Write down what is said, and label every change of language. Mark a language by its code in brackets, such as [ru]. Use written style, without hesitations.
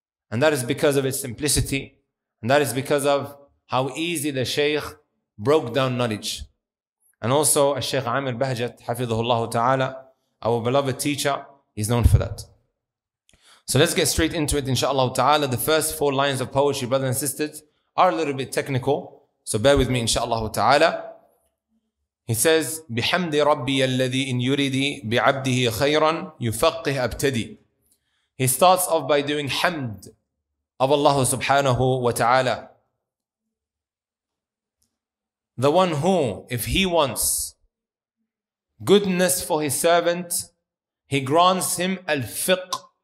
[en] And that is because of its simplicity. And that is because of how easy the Shaykh broke down knowledge. And also, Shaykh Amir Bahjat, hafidhullah ta'ala, our beloved teacher, he's known for that. So let's get straight into it, inshaAllah ta'ala. The first four lines of poetry, brothers and sisters, are a little bit technical. So bear with me, inshaAllah ta'ala. He says, [ar] بِحَمْدِ رَبِّيَ الَّذِي إِنْ يُرِدِي بِعَبْدِهِ خَيْرًا يُفَقِّهْ أَبْتَدِي. [en] He starts off by doing hamd of Allah subhanahu wa ta'ala. The one who, if he wants goodness for his servant, he grants him al-fiqh.